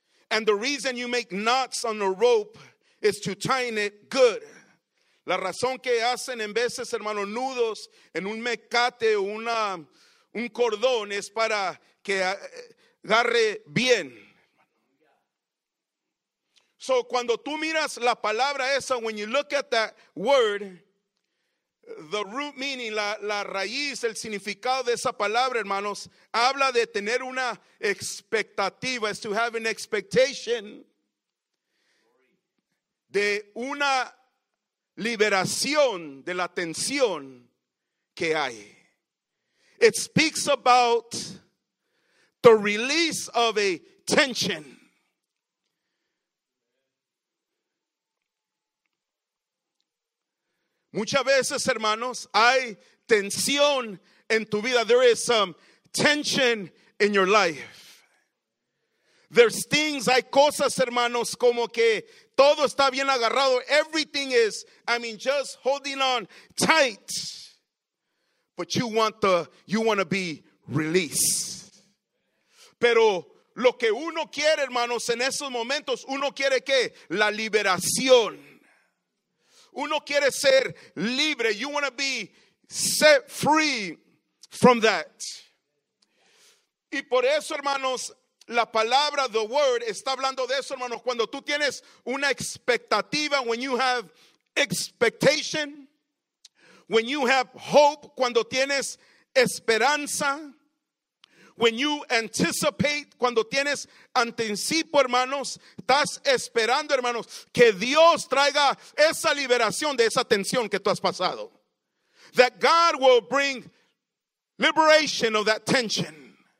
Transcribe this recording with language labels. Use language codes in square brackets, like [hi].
[en] And the reason you make knots on a rope is to tie it good. [es] La razón que hacen en veces, hermanos, nudos en un mecate o un cordón es para que agarre bien. So cuando tú miras la palabra esa, [en] when you look at that word, the root meaning, [es] la raíz, el significado de esa palabra, hermanos, habla de tener una expectativa, [en] is to have an expectation [es] de una liberación de la tensión que hay. [en] It speaks about the release of a tension. [es] Muchas veces, hermanos, hay tensión en tu vida. [en] There is some tension in your life. There's things, [es] hay cosas, hermanos, como que todo está bien agarrado. [en] Everything is, just holding on tight. But you want to be released. [es] Pero lo que uno quiere, hermanos, en esos momentos, uno quiere que la liberación. Uno quiere ser libre. [en] You want to be set free from that. [es] Y por eso, hermanos, la palabra, [en] the word, [es] está hablando de eso, hermanos. Cuando tú tienes una expectativa, [en] when you have expectation, when you have hope, [es] cuando tienes esperanza, [en] when you anticipate, [es] cuando tienes anticipo, hermanos, estás esperando, hermanos, que Dios traiga esa liberación de esa tensión que tú has pasado. [en] That God will bring liberation of that tension.